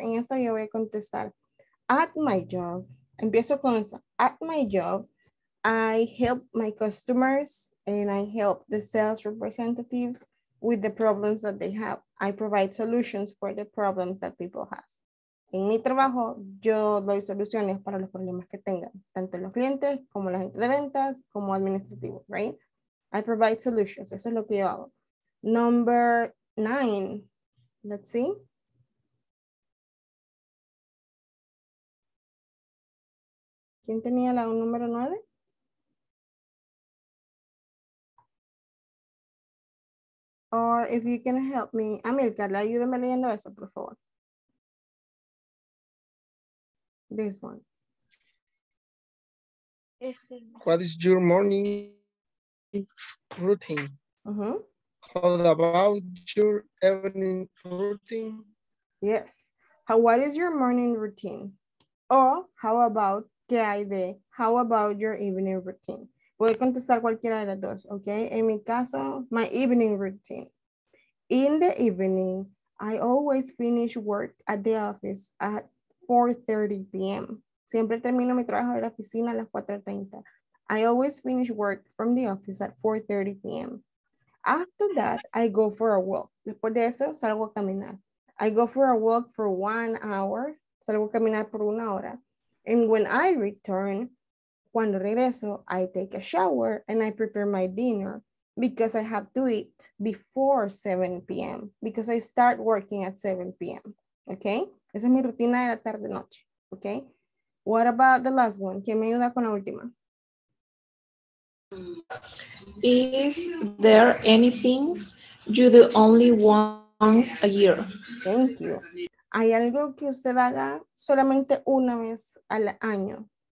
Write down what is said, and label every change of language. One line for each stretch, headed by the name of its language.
Spanish: En esta yo voy a contestar.
English: At my job,
Spanish: empiezo con eso.
English: At my job, I help my customers and I help the sales representatives with the problems that they have. I provide solutions for the problems that people have.
Spanish: En mi trabajo, yo doy soluciones para los problemas que tengan, tanto los clientes como la gente de ventas, como administrativo, right?
English: I provide solutions.
Spanish: Eso es lo que yo hago.
English: Number 9, let's see.
Spanish: ¿Quién tenía la número 9?
English: Or if you can help me, Amilcar,
Spanish: ayúdame leyendo eso, por favor.
English: This one. What is your morning routine? Uh-huh. How about your evening routine? Yes. What is your morning routine? Or how about,
Spanish: ¿qué hay de?
English: How about your evening routine?
Spanish: Voy a contestar cualquiera de las dos, okay? En mi caso,
English: my evening routine. In the evening, I always finish work at the office at 4:30 p.m.
Spanish: Siempre termino mi trabajo de la oficina a las 4:30.
English: I always finish work from the office at 4:30 p.m. After that, I go for a walk.
Spanish: Después de eso, salgo a caminar.
English: I go for a walk for 1 hour.
Spanish: Salgo a caminar por una hora.
English: And when I return,
Spanish: cuando regreso,
English: I take a shower and I prepare my dinner because I have to eat before 7 p.m. Because I start working at 7 p.m. Okay?
Spanish: Esa es mi rutina de la tarde-noche.
English: Okay? What about the last one?
Spanish: ¿Quién me ayuda con la última?
English: Is there anything you do only once a year? Thank you.
Spanish: ¿Hay algo que usted haga solamente una vez al año?